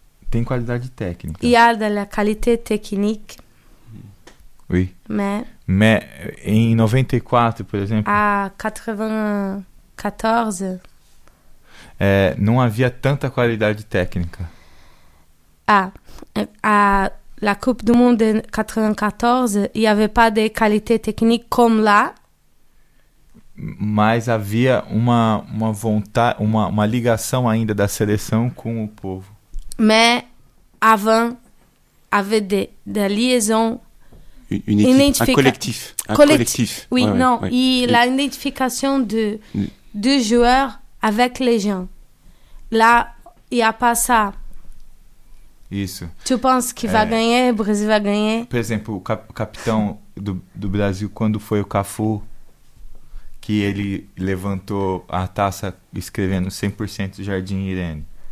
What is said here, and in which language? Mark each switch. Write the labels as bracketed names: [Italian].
[Portuguese] Tem qualidade técnica. E há da [French] qualité technique. Oui. [Portuguese] Mas em 94, por exemplo... A 94... Não havia tanta qualidade técnica. [French] Ah, à la Coupe du Monde de 94, il n'y avait pas de qualité technique comme là. [Portuguese] Mas havia uma vontade, uma ligação ainda da seleção com o povo. [French] Mais avant, il y avait des liaisons. Un collectif. Oui, ouais, non. Ouais. Et la identification du joueur avec les gens. Là, il n'y a pas ça. [Portuguese] Isso. Tu pensa que vai ganhar, o Brasil vai ganhar? Por exemplo, o capitão do Brasil, quando foi o Cafu, que ele levantou a taça escrevendo 100% Jardim Irene.